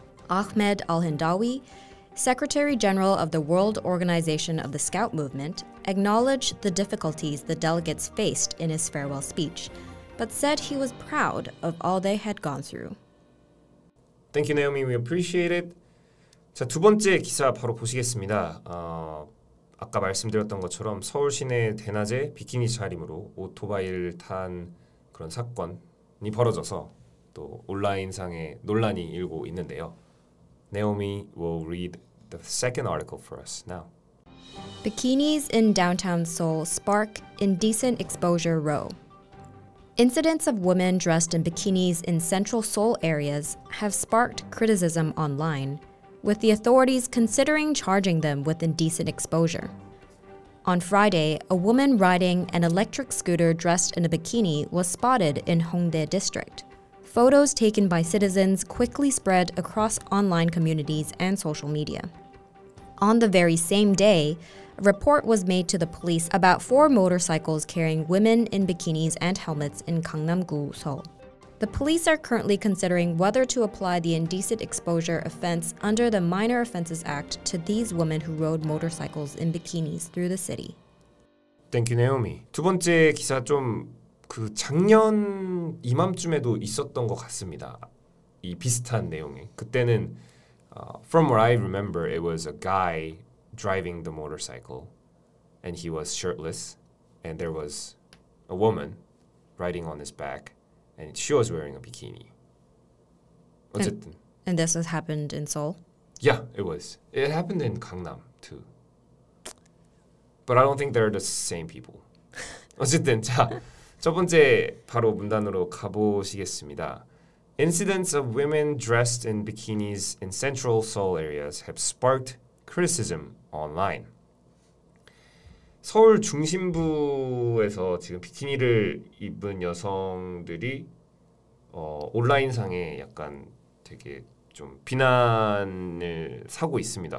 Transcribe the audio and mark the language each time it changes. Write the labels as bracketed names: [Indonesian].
[English] Ahmed Al-Hindawi, Secretary General of the World Organization of the Scout Movement, acknowledged the difficulties the delegates faced in his farewell speech, but said he was proud of all they had gone through. Thank you, Naomi. We appreciate it. [Korean] 자, 두 번째 기사 바로 보시겠습니다. 아까 말씀드렸던 것처럼 서울 시내 대낮에 비키니 차림으로 오토바이를 탄 그런 사건이 벌어져서 또 온라인상에 논란이 일고 있는데요. [English] Naomi will read the second article for us now. Bikinis in downtown Seoul spark indecent exposure row. Incidents of women dressed in bikinis in central Seoul areas have sparked criticism online, with the authorities considering charging them with indecent exposure. On Friday, a woman riding an electric scooter dressed in a bikini was spotted in Hongdae District. Photos taken by citizens quickly spread across online communities and social media. On the very same day, a report was made to the police about four motorcycles carrying women in bikinis and helmets in Gangnam-gu, Seoul. The police are currently considering whether to apply the indecent exposure offense under the Minor Offenses Act to these women who rode motorcycles in bikinis through the city. Thank you, Naomi. [Korean] 두 번째 기사 좀 그 작년 이맘쯤에도 있었던 것 같습니다. 이 비슷한 내용에 그때는 [English] from what I remember, it was a guy driving the motorcycle, and he was shirtless, and there was a woman riding on his back. And she was wearing a bikini. [Korean] 어쨌든. [English] And this has happened in Seoul? Yeah, it was. It happened in Gangnam, too. But I don't think they're the same people. [Korean] 어쨌든, 자, 첫 번째 바로 문단으로 가보시겠습니다. [English] Incidents of women dressed in bikinis in central Seoul areas have sparked criticism online. [Korean] 서울 중심부에서 지금 비키니를 입은 여성들이 온라인상에 약간 되게 좀 비난을 사고 있습니다.